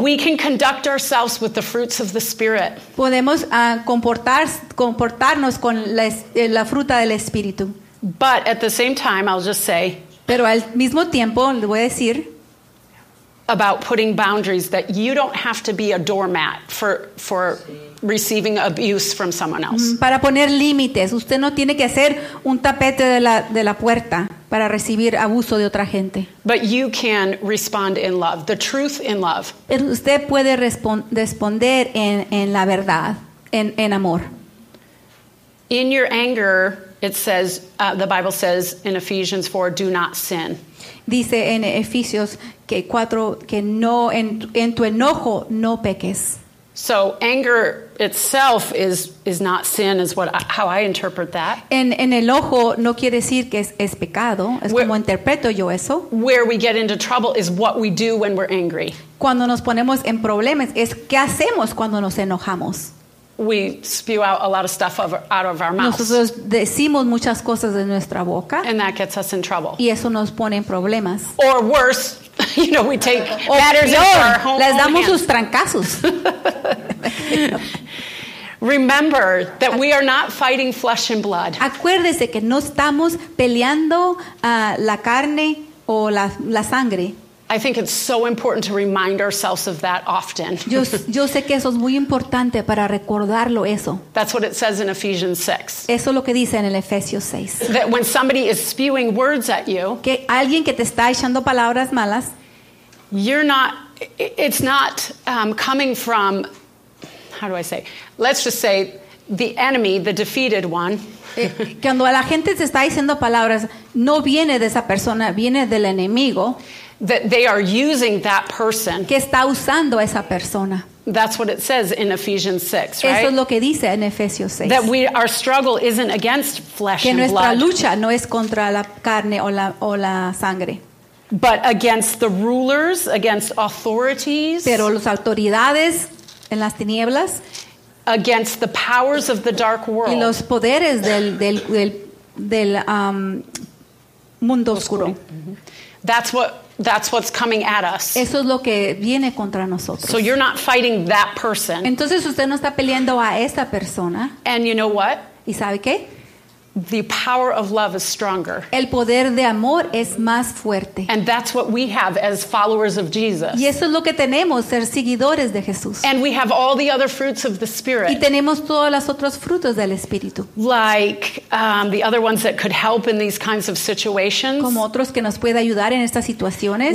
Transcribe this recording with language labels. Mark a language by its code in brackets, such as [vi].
[en] We can conduct ourselves with the fruits of the Spirit. [es] Podemos comportarnos con la fruta del Espíritu. [en] But at the same time, I'll just say. [es] Pero al mismo tiempo, le voy a decir. [en] About putting boundaries that you don't have to be a doormat for receiving abuse from someone else. [es] Para poner límites, usted no tiene que ser un tapete de la puerta. Para recibir abuso de otra gente. [en] But you can respond in love, the truth in love. [es] Pero usted puede responder en la verdad, en amor. [en] In your anger, it says, the Bible says in Ephesians 4, do not sin. [es] Dice en Efesios 4 que no en tu enojo no peques. [en] So anger itself is not sin, is how I interpret that. [es] En el ojo no quiere decir que es pecado. Es como interpreto yo eso. [en] Where we get into trouble is what we do when we're angry. [es] Cuando nos ponemos en problemas es qué hacemos cuando nos enojamos. [en] We spew out a lot of stuff out of our mouths. [es] Nosotros decimos muchas cosas de nuestra boca. [en] And that gets us in trouble. [es] Y eso nos pone en problemas. [en] Or worse. You know, we take matters into our own hands. [es] Les damos sus trancazos. [en] Remember that we are not fighting flesh and blood. [es] Acuérdese que no estamos peleando la carne o la sangre. [en] I think it's so important to remind ourselves of that often. [es] Yo sé que eso es muy importante para recordarlo eso. [en] That's what it says in Ephesians 6. [es] Eso es lo que dice en el Efesios 6. [en] That when somebody is spewing words at you, [es] que alguien que te está echando palabras malas, [en] you're not. It's not coming from. How do I say? Let's just say the enemy, the defeated one. [es] Cuando la gente te está diciendo palabras, no viene de esa persona, viene del enemigo. [en] That they are using that person. [es] Que está usando esa persona. [en] That's what it says in Ephesians 6, right? [es] Eso es lo que dice en Efesios 6. [en] That our struggle isn't against flesh and blood. [es] Que nuestra lucha no es contra la carne o la sangre. [en] But against the rulers, against authorities. [es] Pero las autoridades en las tinieblas. [en] Against the powers of the dark world. [es] Y los poderes del mundo oscuro. [en] That's what's coming at us. [es] Eso es lo que viene contra nosotros. [en] So you're not fighting that person. [es] Entonces usted no está peleando a esa persona. [en] And you know what? [es] ¿Y sabe qué? [en] The power of love is stronger. [es] El poder de amor es más fuerte. [en] And that's what we have as followers of Jesus. [es] Y eso es lo que tenemos, ser seguidores de Jesús. [en] And we have all the other fruits of the Spirit. [es] Y tenemos todas las otras frutos del Espíritu. [en] Like the other ones that could help in these kinds of situations. [es] Como otros que nos puede ayudar en estas situaciones.